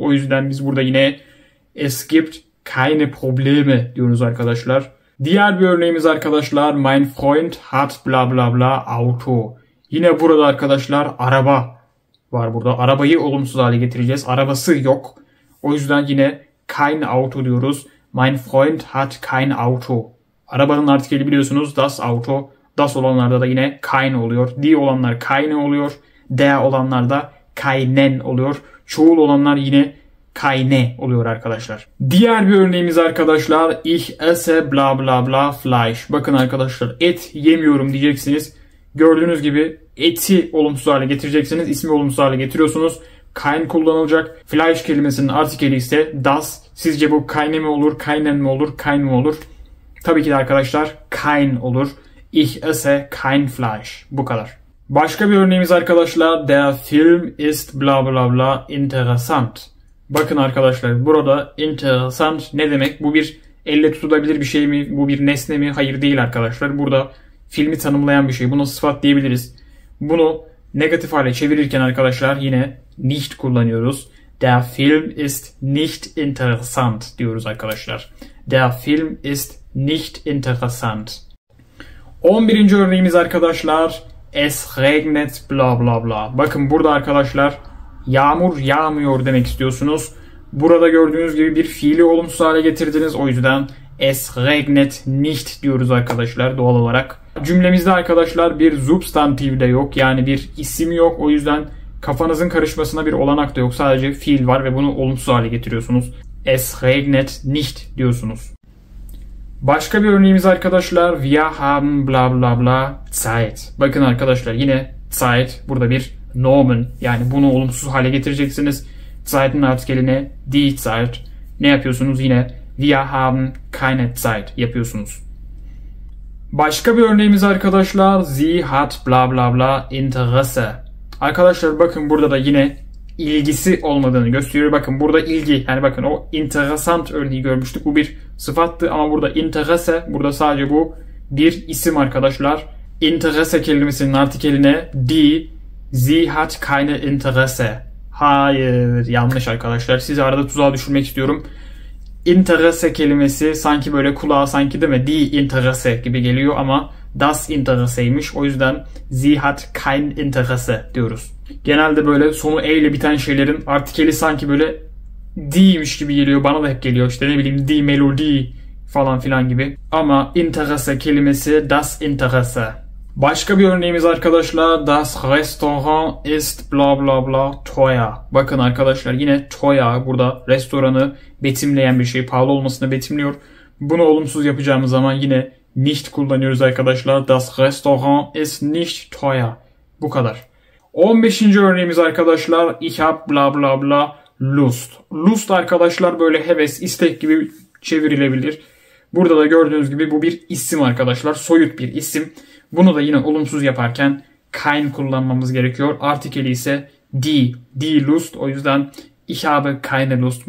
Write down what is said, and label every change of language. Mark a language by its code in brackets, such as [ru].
[tr] O yüzden biz burada yine [de] es gibt keine probleme [tr] diyoruz arkadaşlar. Diğer bir örneğimiz arkadaşlar [de] mein Freund hat bla bla bla Auto. [tr] Yine burada arkadaşlar araba var burada. Arabayı olumsuz hale getireceğiz. Arabası yok. O yüzden yine kein Auto diyoruz. [de] Mein Freund hat kein Auto. [tr] Arabanın artikeli biliyorsunuz das Auto. Das olanlarda da yine kein oluyor. Die olanlar keine oluyor. Der olanlar da keinen oluyor. Çoğul olanlar yine keine oluyor arkadaşlar. Diğer bir örneğimiz arkadaşlar [de] ich esse bla bla bla Fleisch. [tr] Bakın arkadaşlar et yemiyorum diyeceksiniz. Gördüğünüz gibi eti olumsuz hale getireceksiniz. İsmi olumsuz hale getiriyorsunuz. Kein kullanılacak. Fleisch kelimesinin artikeli ise das. Sizce bu kaine mi olur, kainen mi olur, kain mi olur? Tabii ki de arkadaşlar kein olur. [de] Ich esse kein Fleisch. [tr] Bu kadar. Başka bir örneğimiz arkadaşlar. [de] Der Film ist bla bla bla interessant. [tr] Bakın arkadaşlar burada interessant ne demek? Bu bir elle tutulabilir bir şey mi? Bu bir nesne mi? Hayır değil arkadaşlar. Burada filmi tanımlayan bir şey. Buna sıfat diyebiliriz. Bunu negatif hale çevirirken arkadaşlar yine nicht kullanıyoruz. [de] Der Film ist nicht interessant diyoruz arkadaşlar. Der Film ist nicht interessant. [tr] 11. örneğimiz arkadaşlar. [de] Es regnet bla bla bla. [tr] Bakın burada arkadaşlar yağmur yağmıyor demek istiyorsunuz. Burada gördüğünüz gibi bir fiili olumsuz hale getirdiniz. O yüzden [de] es regnet nicht [tr] diyoruz arkadaşlar doğal olarak. Cümlemizde arkadaşlar bir substantiv de yok. Yani bir isim yok. O yüzden kafanızın karışmasına bir olanak da yok. Sadece fiil var ve bunu olumsuz hale getiriyorsunuz. [de] Es regnet nicht [tr] diyorsunuz. Başka bir örneğimiz arkadaşlar. [de] Wir haben bla bla bla Zeit. [tr] Bakın arkadaşlar yine Zeit. Burada bir Nomen. Yani bunu olumsuz hale getireceksiniz. Zeit'in artikeline die Zeit. Ne yapıyorsunuz? Yine [de] wir haben keine Zeit [tr] yapıyorsunuz. Başka bir örneğimiz arkadaşlar. [de] Sie hat bla bla bla Interesse. [tr] Arkadaşlar bakın burada da yine ilgisi olmadığını gösteriyor. Bakın burada ilgi. Yani bakın o interessant örneği görmüştük. Bu bir sıfattı ama burada interesse. Burada sadece bu bir isim arkadaşlar. Interesse kelimesinin artikeline die. [de] Sie hat keine Interesse. [tr] Hayır yanlış arkadaşlar. Sizi arada tuzağa düşürmek istiyorum. Interesse kelimesi sanki böyle kulağa sanki değil mi? Die Interesse gibi geliyor ama das Interesse'ymiş. O yüzden [de] sie hat kein Interesse [tr] diyoruz. Genelde böyle sonu e ile biten şeylerin artikeli sanki böyle die'ymiş gibi geliyor. Bana da hep geliyor. İşte ne bileyim die Melodie falan filan gibi. Ama Interesse kelimesi das Interesse. Başka bir örneğimiz arkadaşlar. [de] Das Restaurant ist bla bla bla teuer. [tr] Bakın arkadaşlar yine teuer burada restoranı betimleyen bir şey. Pahalı olmasını betimliyor. Bunu olumsuz yapacağımız zaman yine nicht kullanıyoruz arkadaşlar. [de] Das Restaurant ist nicht teuer. [tr] Bu kadar. 15. örneğimiz arkadaşlar. [de] Ich hab bla bla bla Lust. [tr] Lust arkadaşlar böyle heves, istek gibi çevrilebilir. Burada da gördüğünüz gibi bu bir isim arkadaşlar. Soyut bir isim. Bunu da yine olumsuz yaparken kein kullanmamız gerekiyor. Artikeli ise die. Die Lust. O yüzden [de] ich habe keine Lust.